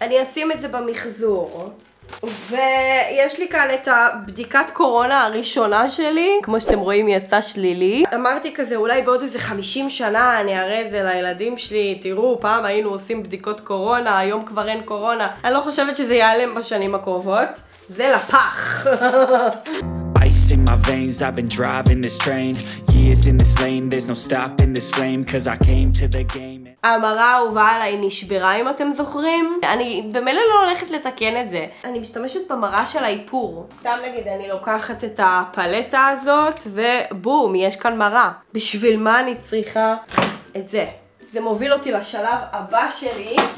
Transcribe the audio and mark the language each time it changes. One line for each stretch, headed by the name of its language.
Hebrew: אני אשים את זה במחזור. ויש לי כאן את הבדיקת קורונה הראשונה שלי, כמו שאתם רואים יצא שלילי. אמרתי כזה אולי בעוד איזה 50 שנה אני אראה את זה לילדים שלי, תראו פעם היינו עושים בדיקות קורונה, היום כבר אין קורונה. אני לא חושבת שזה ייעלם בשנים הקרובות, זה לפח.
English: Ice in my veins, I've been driving this train. Years in this lane, there's no stopping this flame. Cause I came to the game.
Hebrew: המראה האהובה עליי נשברה, אם אתם זוכרים. אני במילא לא הולכת לתקן את זה. אני משתמשת במראה של האיפור. סתם נגיד, אני לוקחת את הפלטה הזאת, ובום, יש כאן מראה. בשביל מה אני צריכה את זה? זה מוביל אותי לשלב הבא שלי.